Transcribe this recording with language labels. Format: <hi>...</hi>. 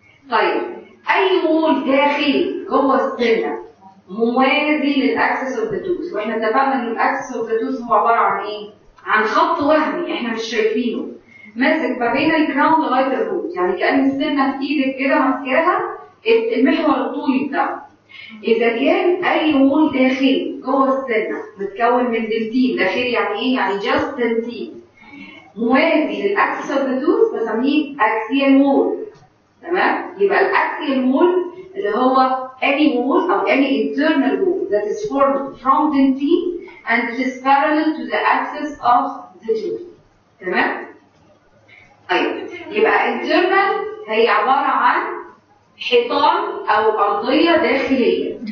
<ar>طيب اي مول داخلي جوه السنه موازي للاكسس التاتوز واحنا اتفقنا ان الاكسس التاتوز هو عباره عن ايه؟ عن خط وهمي احنا مش شايفينه ماسك ما بين الكراون لغايه الروت يعني كان السنه في ايدك كده ماسكاها المحور الطولي بتاعه. اذا كان اي مول داخلي جوه السنه متكون من دلتين داخلي يعني ايه؟ يعني جاست دلتين موازي للاكسس التاتوز بسميه اكسيال مول. تمام؟ يبقى الاكسيال مول اللي هو</ar> <en>any wall or any internal wall that is formed from the dentin and it is parallel to the axis of the tooth.</en> <ar>تمام؟ طيب يبقى internal هي عبارة عن حيطان أو أرضية داخلية.</ar>